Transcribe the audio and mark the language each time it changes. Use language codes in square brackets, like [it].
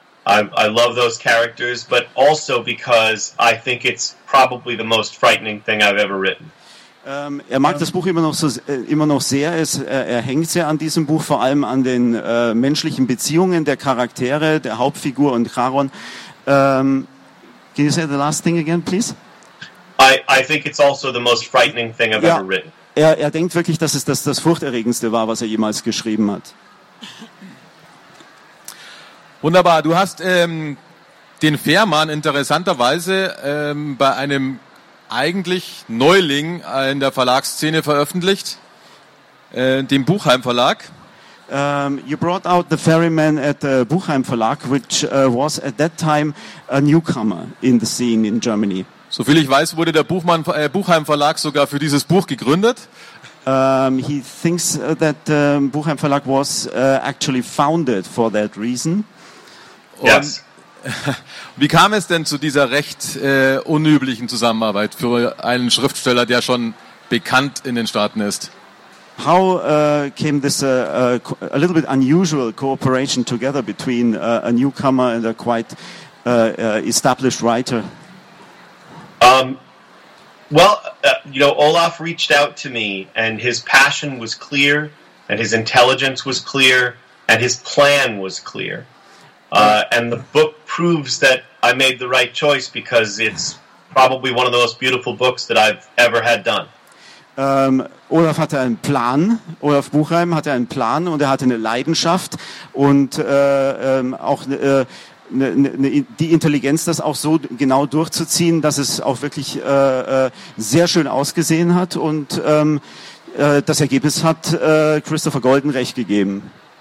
[en] I love those characters, but also because I think it's probably the most frightening thing I've ever written. [de] Er mag das Buch immer noch sehr. Er hängt sehr an diesem Buch, vor allem an den menschlichen Beziehungen der Charaktere, der Hauptfigur und Charon. [en] Can you say the last thing again, please? I think it's also the most frightening thing I've ever written. [de] Er denkt wirklich, dass es das Furchterregendste war, was er jemals geschrieben hat. Wunderbar. Du hast den Fährmann interessanterweise bei einem eigentlich Neuling in der Verlagsszene veröffentlicht, dem Buchheim Verlag. [en] You brought out The Ferryman at the Buchheim Verlag, which was at that time a newcomer in the scene in Germany. [de] Soviel ich weiß, wurde der Buchheim Verlag sogar für dieses Buch gegründet. [en] He thinks that the Buchheim Verlag was actually founded for that reason. Yes. [de] Wie kam es denn zu dieser recht unüblichen Zusammenarbeit für einen Schriftsteller, der schon bekannt in den Staaten ist? [en] How came this a little bit unusual cooperation together between a newcomer and a quite established writer? You know, Olaf reached out to me, and his passion was clear, and his intelligence was clear, and his plan was clear. And the book proves that I made the right choice, because it's probably one of the most beautiful books that I've ever had done. [de] Olaf hatte einen Plan. Olaf Buchheim hatte einen Plan, und er hatte eine Leidenschaft und auch die Intelligenz, das auch so genau durchzuziehen, dass es auch wirklich sehr schön ausgesehen hat, und das Ergebnis hat Christopher Golden recht gegeben.